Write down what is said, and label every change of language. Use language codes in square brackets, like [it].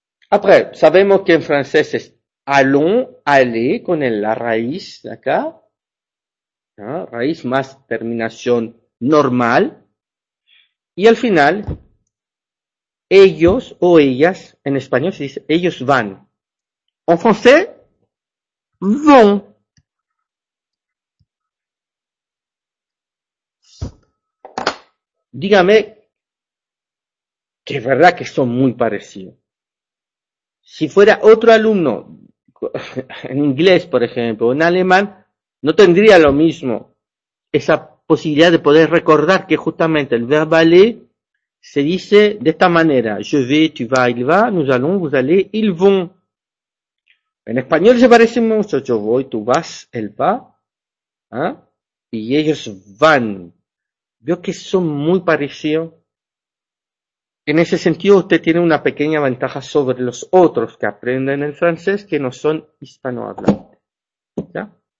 [fr] Après, [es] sabemos que en [fr] français, c'est allons, aller, qu'on est [es] la raíz, [fr] d'accord? Hein? [es] Raíz más terminación normal. Et al final, ellos o ellas, en español se dice ellos van. [fr] En français, vont. [es] Dígame que es verdad que son muy parecidos. Si fuera otro alumno, en inglés, por ejemplo, en alemán, no tendría lo mismo esa posibilidad de poder recordar que justamente el verbo aller se dice de esta manera. [fr] Je vais, tu vas, il va, nous allons, vous allez, ils vont. [es] En español se parece mucho. Yo voy, tú vas, él va, ¿eh? Y ellos van. Veo que son muy parecidos. En ese sentido, usted tiene una pequeña ventaja sobre los otros que aprenden el francés que no son hispanohablantes. ¿Ya?